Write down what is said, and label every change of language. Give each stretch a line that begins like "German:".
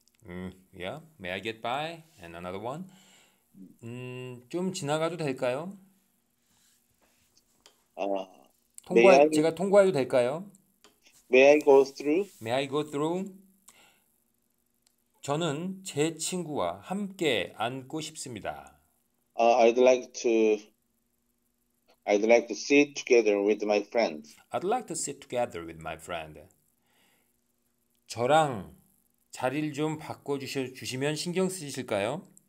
English: May I get by? And another one.
Korean: 좀 지나가도 될까요?
English: May I
Korean: 제가 통과해도 될까요?
English: May I go through?
Korean: 저는 제 친구와 함께 앉고 싶습니다.
English: I'd like to sit together with my friend. I'd like to sit together with my friend.
Korean: 저랑 자리를 좀 바꿔 주시면 신경 쓰실까요?